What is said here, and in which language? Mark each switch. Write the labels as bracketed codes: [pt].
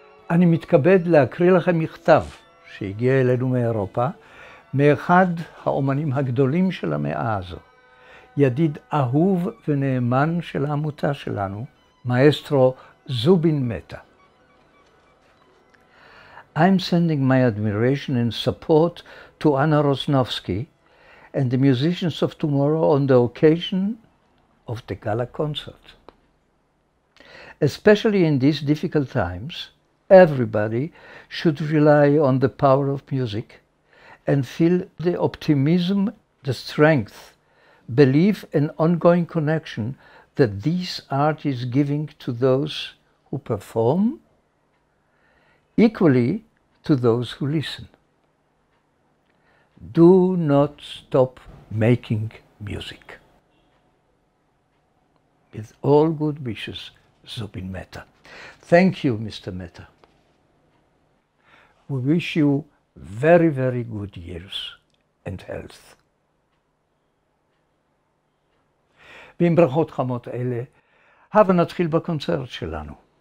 [he] אני מתכבד להקריא לכם מכתב שהגיע אלינו מאירופה, מאחד האומנים הגדולים של המאה הזו, ידיד אהוב ונאמן של העמותה שלנו, מאסטרו זובין מהטה. [en] I'm sending my admiration and support to Anna Rosnovsky and the musicians of tomorrow on the occasion of the Gala concert. Especially in these difficult times, everybody should rely on the power of music and feel the optimism, the strength, belief and ongoing connection that this art is giving to those who perform, equally to those who listen. Do not stop making music. With all good wishes, Zubin Mehta. Thank you, Mr. Mehta. We wish you very, very good years and health. [he] ועם ברכות חמות אלה, הבה נתחיל בקונצרט שלנו.